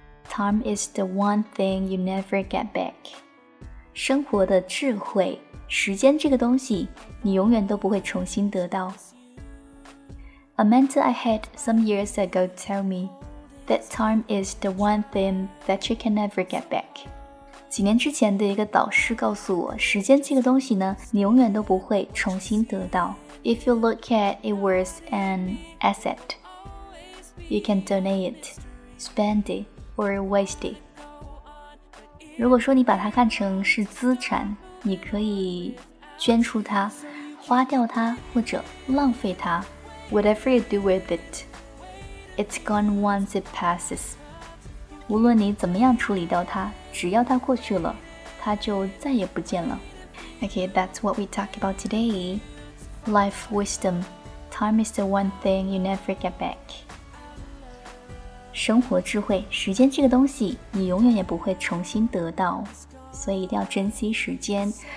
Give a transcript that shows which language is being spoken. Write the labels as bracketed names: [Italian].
[English] Time is the one thing you never get back. [Chinese] 生活的智慧，时间这个东西，你永远都不会重新得到。 [English] A mentor I had some years ago told me that time is the one thing that you can never get back. [Chinese] 几年之前的一个导师告诉我，时间这个东西呢，你永远都不会重新得到。 [English] If you look at it as an asset, you can donate it, spend it, or waste it. [Chinese] 如果说你把它看成是资产，你可以捐出它，花掉它，或者浪费它。 [English] Whatever you do with it, it's gone once it passes. [Chinese] 无论你怎么样处理掉它，只要它过去了，它就再也不见了。 [English] Okay, that's what we talk about today. Life wisdom, time is the one thing you never get back. [Chinese] 生活智慧，时间这个东西你永远也不会重新得到，所以一定要珍惜时间。